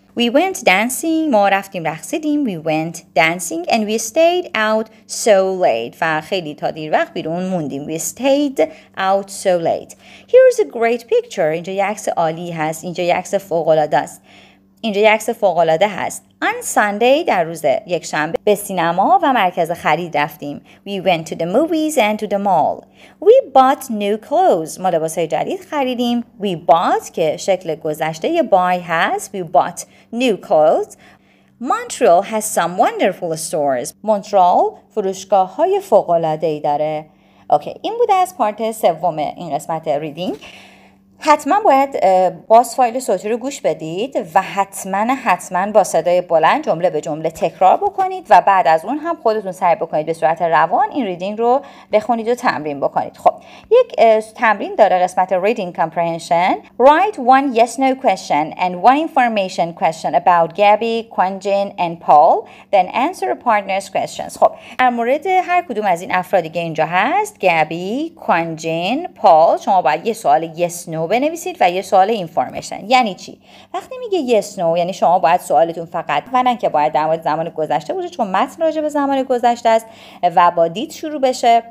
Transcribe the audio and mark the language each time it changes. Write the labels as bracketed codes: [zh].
[en] We went dancing. [fa] ما رفتیم رقصیدیم. [en] We went dancing and we stayed out so late. [fa] و خیلی تا دیر وقت بیرون موندیم. [en] We stayed out so late. Here's a great picture. [fa] اینجا یه عکس عالی هست. اینجا یه عکس فوق‌العاده است. اینجا یه عکس فوق‌العاده هست. [en] On Sunday [fa] در روز یک شنبه به سینما و مرکز خرید رفتیم. [en] We went to the movies and to the mall. We bought new clothes. [fa] ما لباس‌های جدید خریدیم. [en] We bought [fa] که شکل گذشته یه buy هست. [en] We bought new clothes. Montreal has some wonderful stores. [fa] مونترال فروشگاه‌های فوق‌العاده‌ای داره. اوکی این بود از پارت سوم این قسمت ریدینگ. حتما باید باز فایل صوتی رو گوش بدید و حتما با صدای بلند جمله به جمله تکرار بکنید و بعد از اون هم خودتون سعی بکنید به صورت روان این ریدینگ رو بخونید و تمرین بکنید. خب یک تمرین داره قسمت reading comprehension. [en] Write one yes no question and one information question about Gabby, Quanjin and Paul, then answer a partner's questions. [fa] خب در مورد هر کدوم از این افرادی که اینجا هست، Gabby, Quanjin, Paul، شما باید یه سوال yes no بنویسید و یه سوال اینفورمیشن. یعنی چی؟ وقتی میگه yes no یعنی شما باید سوالتون فقط منن که باید در مورد زمان گذشته باشه، چون متن راجع به زمان گذشته است و با did شروع بشه.